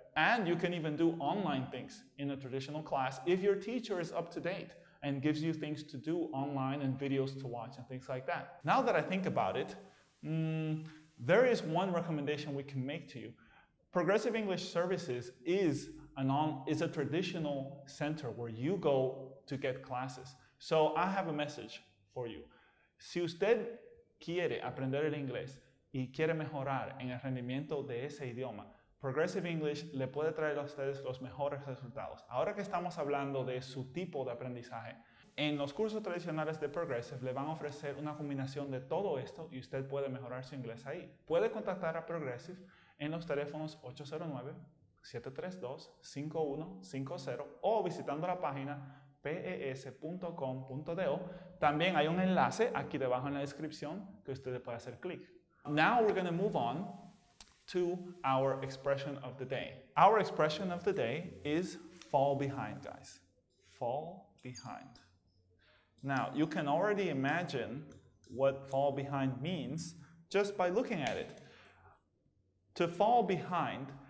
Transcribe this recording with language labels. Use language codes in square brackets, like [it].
[en] And you can even do online things in a traditional class if your teacher is up to date and gives you things to do online and videos to watch and things like that. Now that I think about it, there is one recommendation we can make to you. Progressive English Services is a traditional center where you go to get classes. So I have a message for you. [es] Si usted quiere aprender el inglés y quiere mejorar en el rendimiento de ese idioma, Progressive English le puede traer a ustedes los mejores resultados. Ahora que estamos hablando de su tipo de aprendizaje, en los cursos tradicionales de Progressive le van a ofrecer una combinación de todo esto y usted puede mejorar su inglés ahí. Puede contactar a Progressive en los teléfonos 809-732-5150 o visitando la página pes.com.do. También hay un enlace aquí debajo en la descripción que usted puede hacer clic. [en] Now we're going to move on to our expression of the day. Our expression of the day is fall behind, guys. Fall behind. Now, you can already imagine what fall behind means just by looking at it. To fall behind,